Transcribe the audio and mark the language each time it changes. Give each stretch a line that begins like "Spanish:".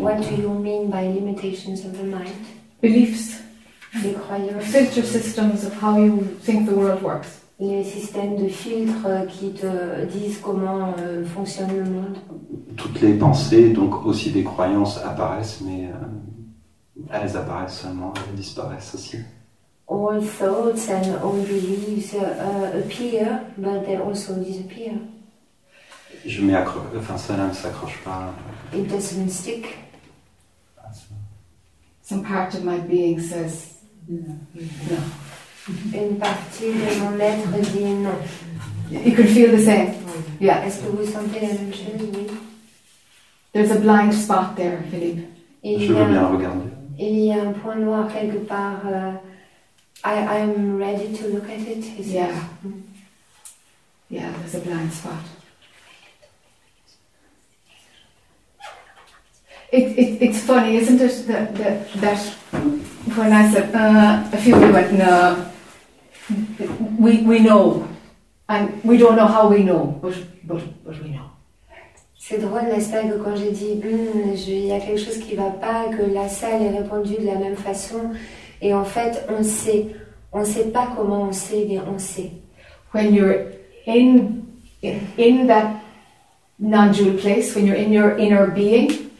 English: What do you mean by limitations of the mind? Beliefs.
French: Les croyances.
English: Filter systems of how you think the world works.
French: Les systèmes de filtres qui te disent comment fonctionne le monde. Toutes les pensées, donc aussi des croyances, apparaissent, mais elles apparaissent seulement, elles disparaissent aussi.
English: All thoughts and all beliefs appear, but they also disappear.
French: Je m'y accroche, enfin ça ne s'accroche pas.
English: It doesn't stick. Some part of my being says no.
French: Une partie de mon être dit non.
English: You can feel the same. Yeah.
French: Est-ce que vous sentez la même chose? Oui.
English: There's a blind spot there, Philippe.
French: Et je veux bien regarder. Il y a un point noir quelque part.
English: I'm ready to look at it. Is yeah. It? Yeah, there's a blind spot. It's funny, isn't it, that when I said a few people went no, we know, and we don't know how we know, but we know.
French: C'est drôle, n'est-ce pas, que quand j'ai dit il y a quelque chose qui va pas, que la salle ait répondu de la même façon, et en fait on sait pas comment on sait, mais on sait.
English: When you're in that non-dual place, when you're in your inner being.